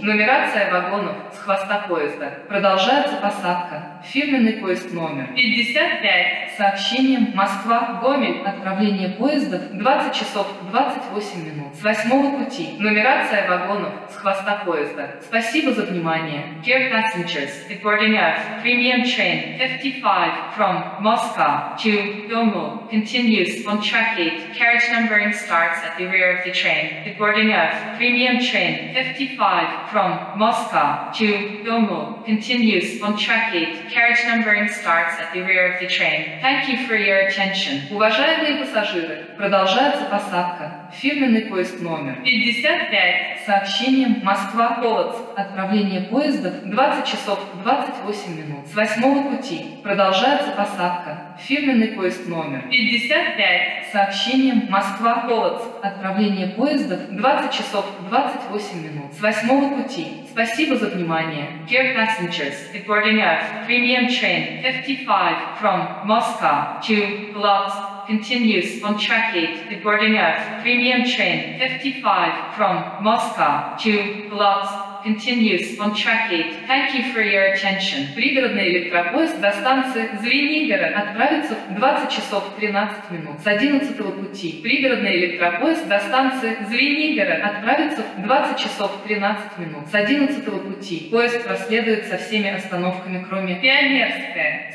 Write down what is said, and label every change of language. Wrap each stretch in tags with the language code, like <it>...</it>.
<ru>Нумерация вагонов с хвоста поезда. Продолжается посадка. Фирменный поезд номер 55. Сообщением Москва-Гомель. Отправление поездов 20 часов 28 минут. С 8 пути. Нумерация вагонов с хвоста поезда. Спасибо за внимание.</ru> <en>Dear passengers, the boarding premium train 55 from Moscow to Gomel continues on track 8. Carriage numbering starts at the rear of the train. The boarding of premium train 55 from Moscow to Gomel continues on track 8. Carriage numbering starts at the rear of the train. Thank you for your attention.</en> <ru>Уважаемые пассажиры, продолжается посадка. Фирменный поезд номер 55. Сообщением Москва-Полоцк. Отправление поездов 20 часов 28 минут. С 8 пути. Продолжается посадка. Фирменный поезд номер 55. Сообщением Москва-Полоцк. Отправление поездов 20 часов 28 минут. С 8 пути. Спасибо за внимание.</ru> <en>Dear passengers, the boarding of premium train 55 from Moscow to Polotsk continues on track 8. The boarding of premium train 55 from Moscow to Polotsk continues on track 8. Thank you for your attention.</en> <ru>Пригородный электропоезд до станции Звенигород отправится в 20 часов 13 минут с 11 пути. Пригородный электропоезд до станции Звенигород отправится в 20 часов 13 минут с 11 пути. Поезд проследует со всеми остановками, кроме Пионерская.</ru>